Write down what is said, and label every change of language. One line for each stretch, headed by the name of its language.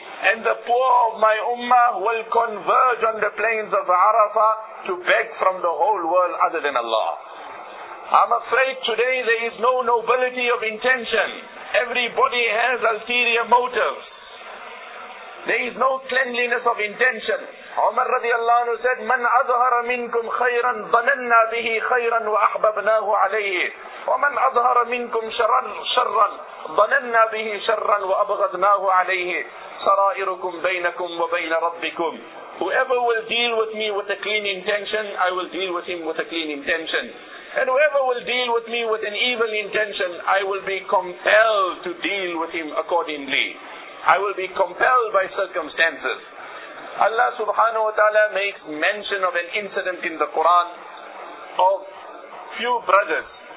English: And the poor of my ummah will converge on the plains of Arafah to beg from the whole world other than Allah. I'm afraid today there is no nobility of intention. Everybody has ulterior motives. There is no cleanliness of intention. Umar radiallahu anhu said,
Arabic: مَنْ أَظْهَرَ مِنْكُمْ خَيْرًا ضَنَنَّا بِهِ خَيْرًا وَأَحْبَبْنَاهُ عَلَيْهِ وَمَنْ أَظْهَرَ مِنْكُمْ شَرًّا ضَنَنَّا بِهِ شَرًّا وَأَبْغَدْنَاهُ عَلَيْهِ سَرَائِرُكُمْ بَيْنَكُمْ وَبَيْنَ رَبِّكُمْ.
English: Whoever will deal with me with a clean intention, I will deal with him with a clean intention. And whoever will deal with me with an evil intention, I will be compelled to deal with him accordingly. I will be compelled by circumstances. Allah subhanahu wa ta'ala makes mention of an incident in the Quran of few brothers.